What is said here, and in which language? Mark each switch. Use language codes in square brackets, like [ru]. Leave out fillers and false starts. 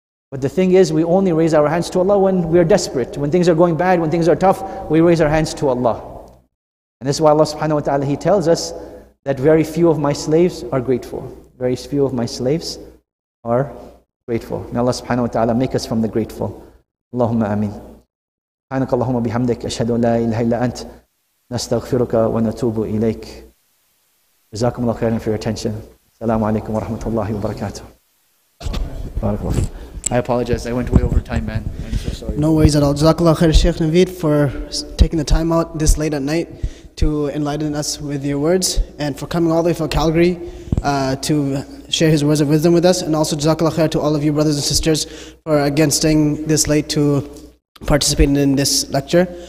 [en] But the thing is, we only raise our hands to Allah when we are desperate. When things are going bad, when things are tough, we raise our hands to Allah. And this is why Allah subhanahu wa ta'ala, He tells us that very few of my slaves are grateful. Very few of my slaves are grateful. May Allah subhanahu wa ta'ala make us from the grateful. Allahumma ameen. [ar] سبحانك اللهم وبحمدك أشهد أن لا إله إلا أنت نستغفرك ونتوب إليك جزاكم الله خيرا [en] for your attention. [ar] السلام عليكم ورحمة الله وبركاته. بارك الله. [en] I apologize, I went way over time, man. I'm so sorry. No worries at all. Jazakallah khair, Sheikh Navaid, for taking the time out this late at night to enlighten us with your words, and for coming all the way from Calgary to share his words of wisdom with us. And also jazakallah khair to all of you brothers and sisters for again staying this late to participating in this lecture.